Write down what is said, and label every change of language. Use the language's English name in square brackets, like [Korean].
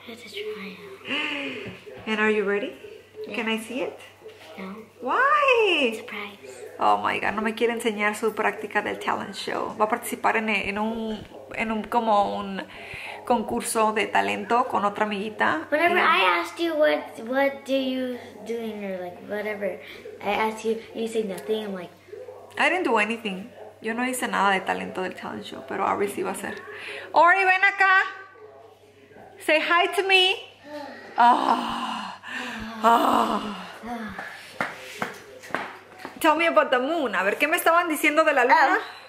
[English] It's a try out. And are you ready? Yeah. Can I see it? No. Why? Surprise. [Spanish] Oh my God, no me quiere enseñar su práctica del talent show. Va a participar en un como un concurso de talento con otra amiguita. [English] Whenever I asked you what do you doing or like whatever, I asked you and you say nothing, I'm like, I didn't do anything. [Spanish] Yo no hice nada de talento del talent show, pero Ari sí va a hacer. [English] Ori, [Spanish] ven acá. [English] Say hi to me. Oh. Oh. Tell me about the moon. [Spanish] A ver, ¿qué me estaban diciendo de la luna?